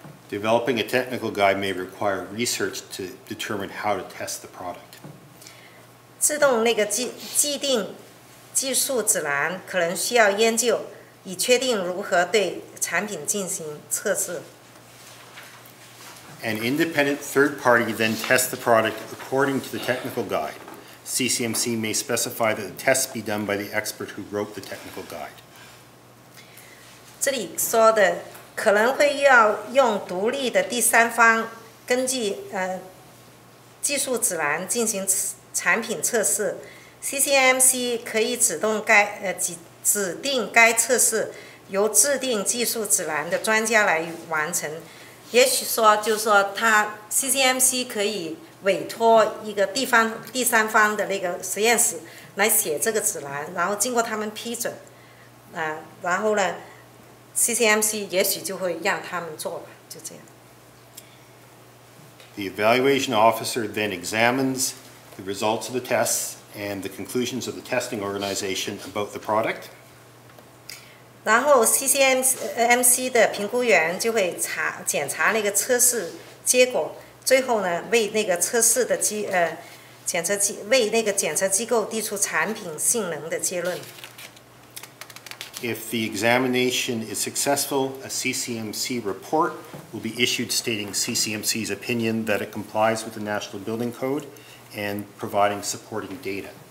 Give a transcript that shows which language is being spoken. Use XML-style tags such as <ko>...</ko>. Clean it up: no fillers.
<en>Developing a technical guide may require research to determine how to test the product.</en> <zh>自动那个既定技术指南可能需要研究，以确定如何对产品进行测试。</zh> <en>An independent third party then tests the product according to the technical guide. CCMC may specify that the test be done by the expert who wrote the technical guide.</en> <zh>这里说的可能会要用独立的第三方根据技术指南进行产品测试。 CCMC 可以指定该测试由制定技术指南的专家来完成。也许说，就是说，他 CCMC 可以委托一个第三方的那个实验室来写这个指南，然后经过他们批准，然后呢 ，CCMC 也许就会让他们做吧，就这样。</zh> <en>The evaluation officer then examines the results of the tests and the conclusions of the testing organization about the product.</en> <zh>然后 CCMC 的评估员就会检查那个测试结果，最后呢为那个测试的检测机构递出产品性能的结论。</zh> <en>If the examination is successful, a CCMC report will be issued stating CCMC's opinion that it complies with the National Building Code and providing supporting data.</en>